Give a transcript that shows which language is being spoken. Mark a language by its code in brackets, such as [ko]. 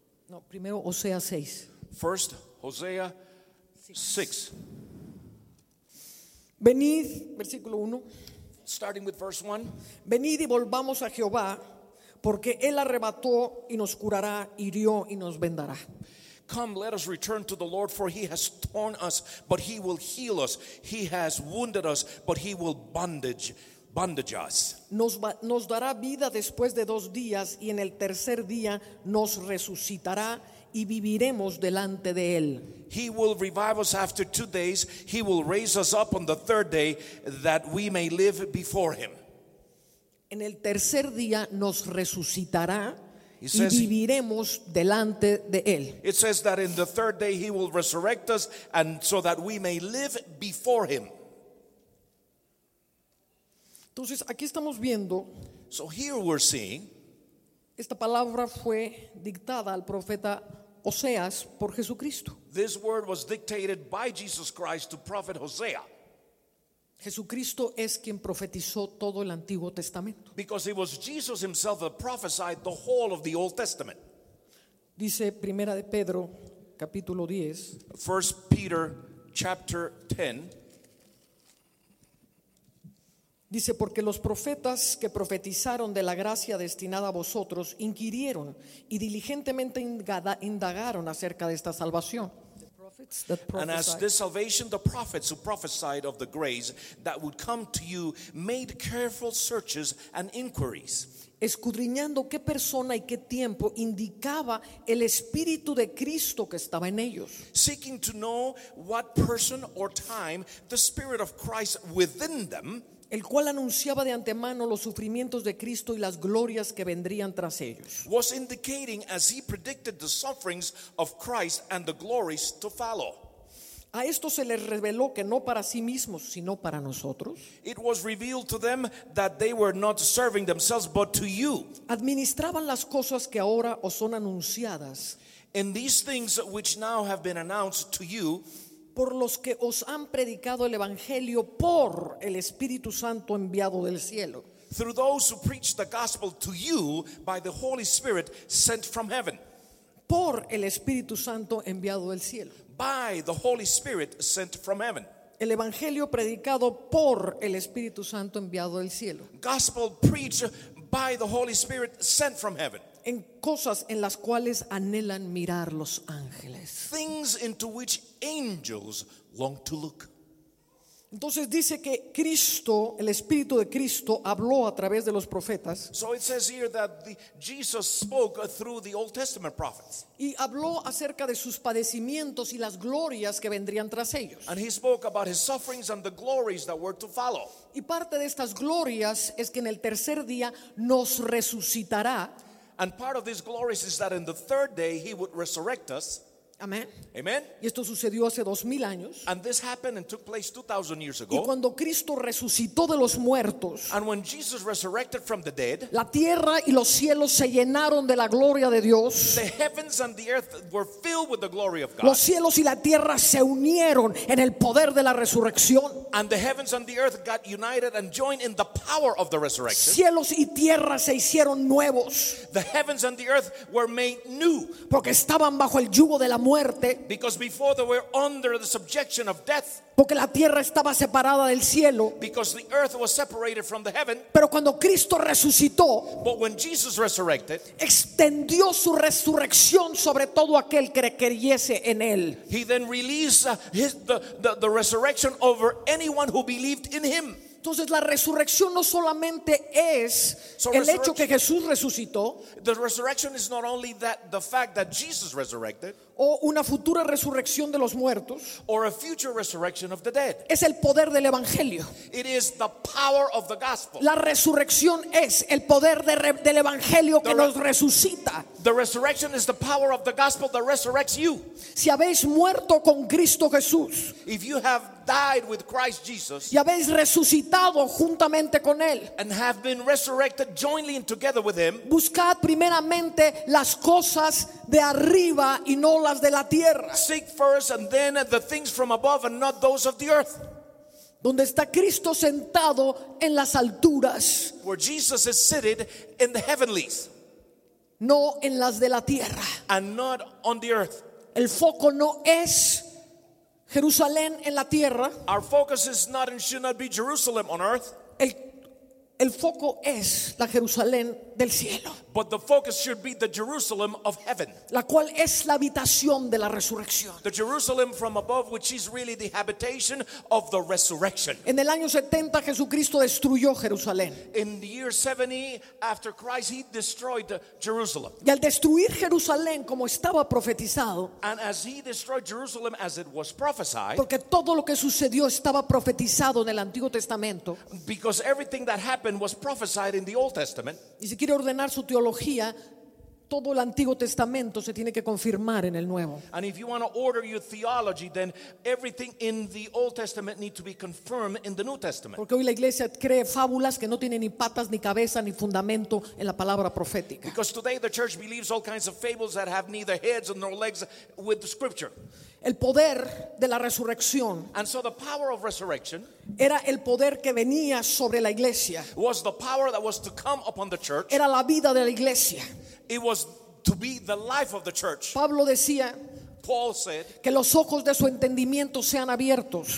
[es] No, primero Oseas 6. [en] First, Hosea 6. [es] Venid, versículo 1. [en] Starting with verse 1. [es] Venid y volvamos a Jehová, porque él arrebató y nos curará, hirió y nos vendará. [en] Come, let us return to the Lord, for he has torn us, but he will heal us. He has wounded us, but he will bondage us. [es] Nos dará vida después de dos días, y en el tercer día nos resucitará y viviremos delante de él. [en] He will revive us after two days. He will raise us up on the third day that we may live before him. [es] En el tercer día nos resucitará y viviremos delante de él. [en] It says that in the third day he will resurrect us and so that we may live before him. [es] Entonces aquí estamos viendo. [en] So here we're seeing. [es] Esta palabra fue dictada al profeta Oseas por Jesucristo. [en] This word was dictated by Jesus Christ to prophet Hosea. [es] Jesucristo es quien profetizó todo el Antiguo Testamento. [en] Because it was Jesus himself that prophesied the whole of the Old Testament. [es] Dice Primera de Pedro, capítulo 10. [en] 1 Peter, chapter 10. [es] Dice, porque los profetas que profetizaron de la gracia destinada a vosotros inquirieron y diligentemente indagaron acerca de esta salvación. [en] And as this salvation, the prophets who prophesied of the grace that would come to you made careful searches and inquiries. [es] Escudriñando qué persona y qué tiempo indicaba el Espíritu de Cristo que estaba en ellos. [en] Seeking to know what person or time the Spirit of Christ within them. [es] El cual anunciaba de antemano los sufrimientos de Cristo y las glorias que vendrían tras ellos. [en] Was indicating as he predicted the sufferings of Christ and the glories to follow. [es] A esto se les reveló que no para sí mismos, sino para nosotros. [en] It was revealed to them that they were not serving themselves, but to you. [es] Administraban las cosas que ahora os son anunciadas. [en] In these things which now have been announced to you. [es] Por los que os han predicado el evangelio por el Espíritu Santo enviado del cielo. [en] Through those who preach the gospel to you by the Holy Spirit sent from heaven. [es] Por el Espíritu Santo enviado del cielo. [en] By the Holy Spirit sent from heaven. [es] El evangelio predicado por el Espíritu Santo enviado del cielo. [en] Gospel preached by the Holy Spirit sent from heaven. [es] En cosas en las cuales anhelan mirar los ángeles. [en] Things into which angels long to look. [es] Entonces dice que Cristo, el Espíritu de Cristo, habló a través de los profetas. [en] So it says here that Jesus spoke through the Old Testament prophets. [es] Y habló acerca de sus padecimientos y las glorias que vendrían tras ellos. [en] And he spoke about his sufferings and the glories that were to follow. [es] Y parte de estas glorias es que en el tercer día nos resucitará. [en] And part of these glories is that in the third day he would resurrect us. [es] Amen. [en] Amen. [es] Y esto sucedió hace 2000 años. [en] And this happened and took place 2000 years ago. [es] Y cuando Cristo resucitó de los muertos, [en] and when Jesus resurrected from the dead, [es] la tierra y los cielos se llenaron de la gloria de Dios. [en] The heavens and the earth were filled with the glory of God. [es] Los cielos y la tierra se unieron en el poder de la resurrección. [en] And the heavens and the earth got united and joined in the power of the resurrection. [es] Cielos y tierra se hicieron nuevos. [en] The heavens and the earth were made new. [es] Porque estaban bajo el yugo de la muerte. [en] Because before they were under the subjection of death. [es] Porque la tierra estaba separada del cielo. [en] Because the earth was separated from the heaven. [es] Pero cuando Cristo resucitó, [en] but when Jesus resurrected, [es] extendió su resurrección sobre todo aquel que creyese en él. [en] He then released the resurrection over anyone who believed in him. [es] Entonces la resurrección no solamente es el hecho que Jesús resucitó. [en] The resurrection is not only that, the fact that Jesus resurrected. [es] O una futura resurrección de los muertos. [en] Or a future resurrection of the dead. [es] Es el poder del evangelio. [en] It is the power of the gospel. [es] La resurrección es el poder del evangelio que nos resucita. [en] The resurrection is the power of the gospel that resurrects you. [es] Si habéis muerto con Cristo Jesús, [en] if you have died with Christ Jesus, [es] y habéis resucitado juntamente con él, [en] and have been resurrected jointly and together with him, [es] buscad primeramente las cosas de arriba y no las de la tierra. [en] Seek first and then the things from above and not those of the earth. [es] Donde está Cristo sentado en las alturas, [en] where Jesus is seated in the heavenlies, [es] no en las de la tierra, [en] and not on the earth. [es] El foco no es Jerusalén en la tierra. [en] Our focus is not and should not be Jerusalem on earth. [es] El foco es la Jerusalén del cielo. [en] But the focus should be the Jerusalem of heaven. [es] La cual es la habitación de la resurrección. [en] The Jerusalem from above, which is really the habitation of the resurrection. [es] En el año 70 Jesucristo destruyó Jerusalén. [en] In the year 70 after Christ he destroyed Jerusalem. [es] Y al destruir Jerusalén como estaba profetizado, [en] and as he destroyed Jerusalem as it was prophesied, [es] porque todo lo que sucedió estaba profetizado en el Antiguo Testamento, [en] because everything that happened was prophesied in the Old Testament. [es] Y si quiere ordenar su teología, todo el Antiguo Testamento se tiene que confirmar en el Nuevo. [en] And if you want to order your theology, then everything in the Old Testament needs to be confirmed in the New Testament. [es] Porque hoy la iglesia cree fábulas que no tienen ni patas ni cabeza ni fundamento en la palabra profética. [en] Because today the church believes all kinds of fables that have neither heads nor legs with the scripture. [es] El poder de la resurrección, [en] and so the power of resurrection, [es] era el poder que venía sobre la iglesia. [en] Was the power that was to come upon the church. [es] Era la vida de la iglesia. [en] It was to be the life of the church. [es] Pablo decía, [en] Paul said, [es] que los ojos de su entendimiento sean abiertos.